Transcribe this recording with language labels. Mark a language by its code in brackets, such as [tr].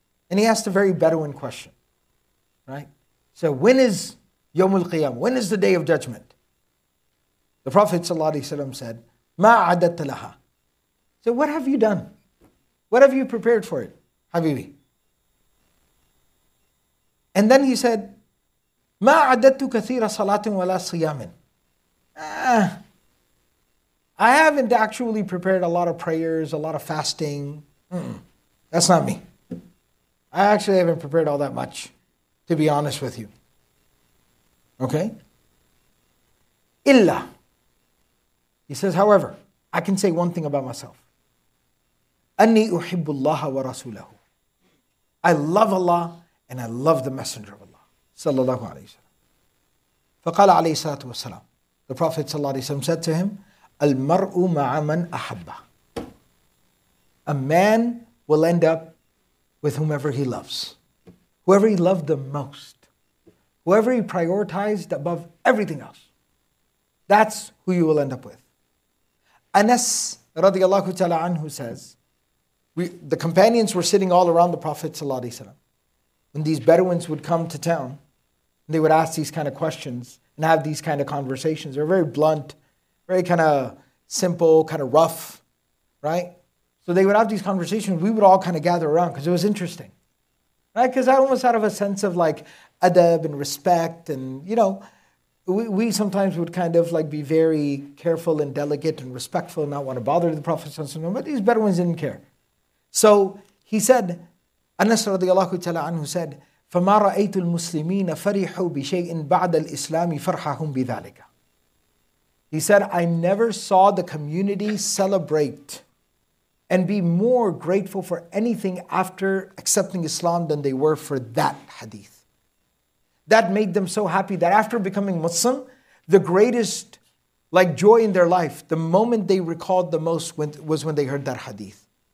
[en] And he asked a very Bedouin question, right? So when is يوم القيامة? When is the day of judgment? The Prophet sallallahu alayhi wa sallam said, [ar] مَا عَدَدْتَ لَهَا. [en] So what have you done? What have you prepared for it, Habibi? And then he said, [ar] مَا عَدَدْتُ كَثِيرَ صَلَاتٍ وَلَا صِيَامٍ. [en] I haven't actually prepared a lot of prayers, a lot of fasting. That's not me. I actually haven't prepared all that much, to be honest with you. Okay? إِلَّا. He says, however, I can say one thing about myself. [ar] أَنِّي أُحِبُّ اللَّهَ وَرَسُولَهُ. [en] I love Allah and I love the Messenger of Allah. صلى الله عليه وسلم. [ar] فقال عليه الصلاة والسلام. [en] The Prophet [ar] صلى الله عليه وسلم [en] said to him, [ar] المرء مع من أحب. [en] A man will end up with whomever he loves. Whoever he loved the most. Whoever he prioritized above everything else. That's who you will end up with. Anas radiallahu ta'ala anhu says, the companions were sitting all around the Prophet sallallahu alayhi wa sallam. When these Bedouins would come to town, they would ask these kind of questions and have these kind of conversations. They're very blunt, very kind of, simple, kind of rough, right? So they would have these conversations. We would all kind of gather around because it was interesting. Right? Because I almost had a sense of like adab and respect. And, you know, we sometimes would kind of like be very careful and delicate and respectful and not want to bother the Prophet ﷺ. But these Bedouins didn't care. So he said, Anas radiallahu ta'ala anhu said, [ar] فَمَا رَأَيْتُ الْمُسْلِمِينَ فَرِحُوا بِشَيْءٍ بَعْدَ الْإِسْلَامِ فَرْحَهُمْ بِذَلِكَ. [en] He said, I never saw the community celebrate and be more grateful for anything after accepting Islam than they were for that hadith. That made them so happy that after becoming Muslim, the greatest like joy in their life, the moment they recalled the most was when they heard that hadith.